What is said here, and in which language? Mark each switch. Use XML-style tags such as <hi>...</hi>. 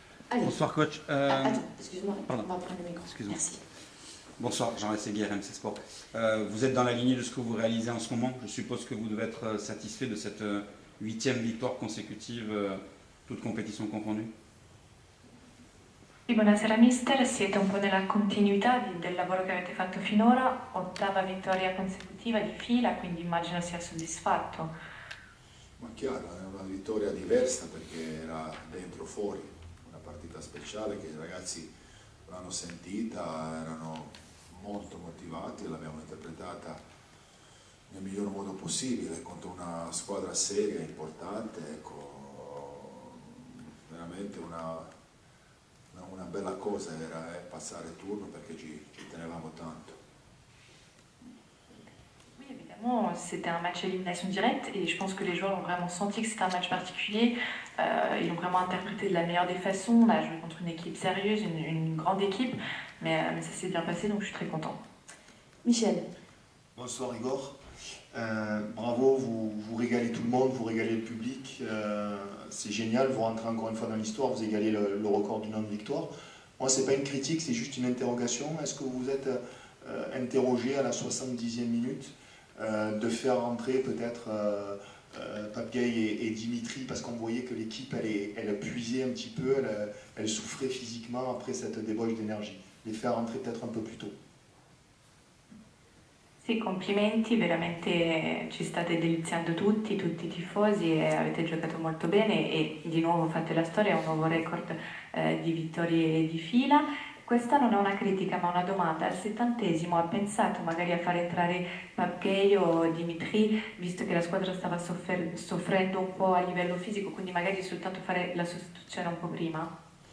<fr>Allez. Bonsoir, coach. Attends, excuse-moi, on va prendre le micro. Excuse-moi. Merci. Bonsoir, Jean-Marc Séguier, MC Sport. Vous êtes dans la lignée de ce que vous réalisez en ce moment. Je suppose que vous devez être satisfait de cette 8e victoire consécutive, toute compétition confondue.</fr> <it>Sì, buonasera mister, siete un po' nella continuità del lavoro che avete fatto finora, 8ª vittoria consecutiva di fila, quindi immagino sia soddisfatto. Ma chiaro, è una vittoria diversa perché era dentro fuori, una partita speciale che i ragazzi l'hanno sentita, erano molto motivati e l'abbiamo interpretata nel miglior modo possibile contro una squadra seria e importante, ecco, veramente una bella cosa era passare il turno perché ci tenevamo tanto.</it> <fr>Oui, évidemment, c'était un match élimination directe et je pense que les joueurs ont vraiment senti que c'était un match particulier. Ils ont vraiment interprété de la meilleure des façons. On a joué contre une équipe sérieuse, une grande équipe, mais ça s'est bien passé donc je suis très content. Michel. Bonsoir Igor. Bravo, vous régalez tout le monde, vous régalez le public, c'est génial, vous rentrez encore une fois dans l'histoire, vous égalez le record du nombre de victoires. Moi, c'est pas une critique, c'est juste une interrogation. Est-ce que vous êtes interrogé à la 70e minute de faire rentrer peut-être Papgay et Dimitri parce qu'on voyait que l'équipe elle puisait un petit peu, elle souffrait physiquement après cette débauche d'énergie. Les faire rentrer peut-être un peu plus tôt.</fr> <it>Sì, complimenti, veramente ci state deliziando tutti i tifosi e avete giocato molto bene e di nuovo fate la storia, è un nuovo record di vittorie di fila. Questa non è una critica ma una domanda, al 70esimo ha pensato magari a far entrare Papgay o Dimitri visto che la squadra stava soffrendo un po' a livello fisico, quindi magari soltanto fare la sostituzione un po' prima?</it>